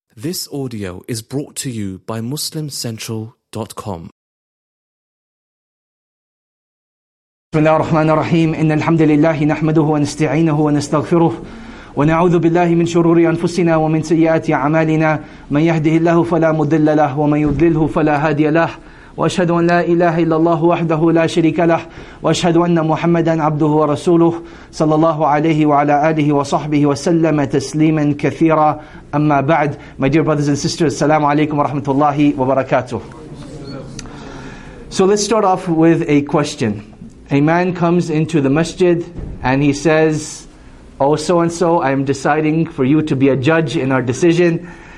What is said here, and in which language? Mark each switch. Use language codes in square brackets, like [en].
[en] This audio is brought to you by MuslimCentral.com. [ar] بسم الله الرحمن الرحيم إن الحمد لله نحمده ونستعينه ونستغفره ونعوذ بالله من شرور أنفسنا ومن سيئات أعمالنا من يهده الله فلا مضل له ومن يضلله فلا هادي له وأشهد أن لا إله إلا الله وحده لا شريك له وأشهد أن محمدا عبده ورسوله صلى الله عليه وعلى آله وصحبه وسلم تسليما كثيرا أما بعد. [en] My dear brothers and sisters, [ar] السلام عليكم ورحمة الله وبركاته. [en] So let's start off with a question. A man comes into the masjid and he says, "Oh so and so, I'm deciding for you to be a judge in our decision."